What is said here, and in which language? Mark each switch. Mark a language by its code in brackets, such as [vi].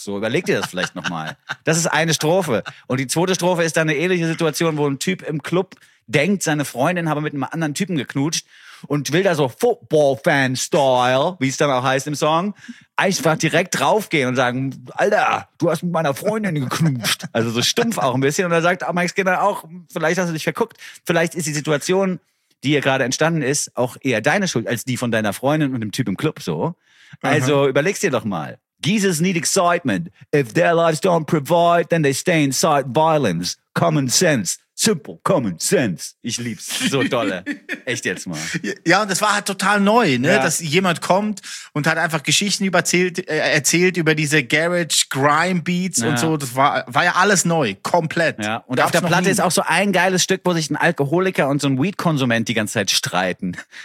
[de] So, überleg dir das vielleicht nochmal. Das ist eine Strophe. Und die zweite Strophe ist dann eine ähnliche Situation, wo ein Typ im Club denkt, seine Freundin habe mit einem anderen Typen geknutscht und will da so Football-Fan-Style, wie es dann auch heißt im Song, einfach direkt draufgehen und sagen, Alter, du hast mit meiner Freundin geknutscht. Also so stumpf auch ein bisschen. Und er sagt Mike Skinner auch, vielleicht hast du dich verguckt. Vielleicht ist die Situation, die hier gerade entstanden ist, auch eher deine Schuld als die von deiner Freundin und dem Typ im Club. So. Also überleg's dir doch mal. [en] Geezers need excitement. If their lives don't provide, then they stay inside violence. Common sense. Simple common sense. [de] Ich lieb's. So dolle. Echt jetzt mal. Ja, und das war halt total neu, ne? Ja. Dass jemand kommt und hat einfach Geschichten erzählt über diese Garage Grime Beats ja. Und so. Das war ja alles neu. Komplett. Ja. Und auf der Platte ist auch so ein geiles Stück, wo sich ein Alkoholiker und so ein Weed-Konsument die ganze Zeit streiten.